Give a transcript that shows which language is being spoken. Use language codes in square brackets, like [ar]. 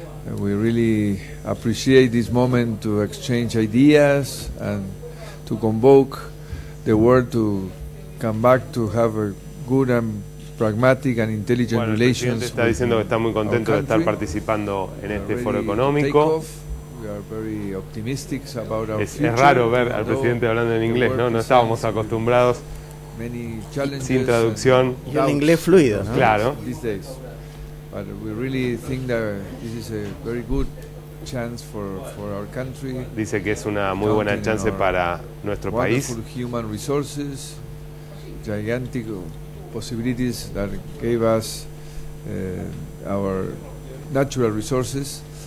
[en] We really appreciate this moment to exchange ideas and to convoke the world to come back to have a good and pragmatic and intelligent relations. [es] Está diciendo que está muy contento de estar participando en este foro económico. [en] We are very optimistic about our future. [es] Es raro ver al presidente hablando en inglés, ¿no? No estábamos acostumbrados. [en] Many challenges [es] sin traducción y el inglés fluido, ¿no? Claro. [en] But we really think that this is a very good chance for our country. [es] Dice que es una muy buena chance para nuestro país. [en] Wonderful human resources, gigantic possibilities that gave us our natural resources.